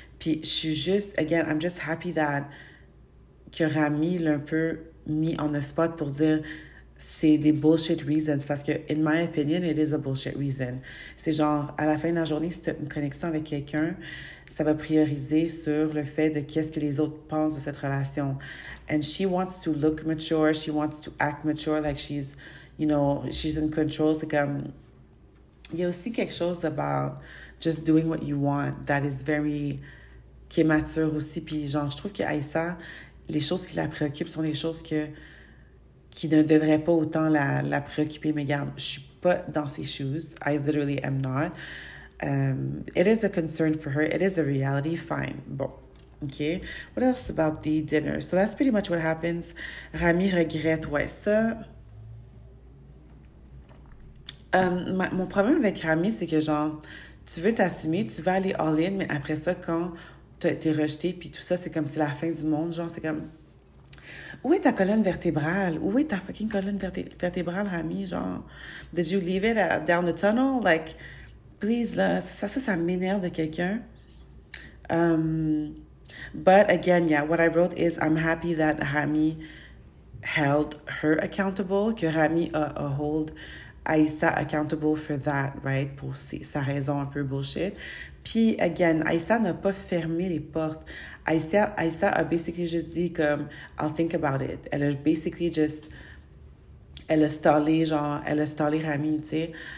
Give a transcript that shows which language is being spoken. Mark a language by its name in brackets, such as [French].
[French] Puis, je suis juste, again, [English] I'm just happy that [French] que Rami l'a un peu mis [English] on the spot [French] pour dire c'est des [English] bullshit reasons. [French] Parce que, [English] in my opinion, it is a bullshit reason. [French] C'est genre, à la fin de la journée, si tu as une connexion avec quelqu'un, ça va prioriser sur le fait de qu'est-ce que les autres pensent de cette relation. [English] And she wants to look mature, she wants to act mature, like she's, you know, she's in control. [French] C'est comme, il y a aussi quelque chose [English] about just doing what you want that is very, [French] qui est mature aussi. Puis genre, je trouve que Aïssa, les choses qui la préoccupent sont les choses que qui ne devraient pas autant la préoccuper. Mais regarde, je suis pas dans ses shoes. [English] I literally am not. It is a concern for her. It is a reality. Fine. Bon. OK. What else about the dinner? So that's pretty much what happens. [French] Rami regrette, ouais, ça. Mon problème avec Rami, c'est que genre, tu veux t'assumer, tu veux aller all-in, mais après ça, quand t'as été rejeté, puis tout ça, c'est comme c'est la fin du monde, genre, c'est comme, où est ta colonne vertébrale? Où est ta fucking colonne vertébrale, Rami? [English] Genre, did you leave it down the tunnel? Like, please, là, [French] ça m'énerve de quelqu'un. [English] But again, yeah, what I wrote is, I'm happy that Rami held her accountable, [French] que Rami a [English] hold Aïssa accountable for that, right? [French] Pour sa raison un peu bullshit. Puis, again, Aïssa n'a pas fermé les portes. Aïssa a basically juste dit comme, [English] I'll think about it. [French] Elle a basically just, elle a stallé, genre, elle a stallé Rami, tu sais.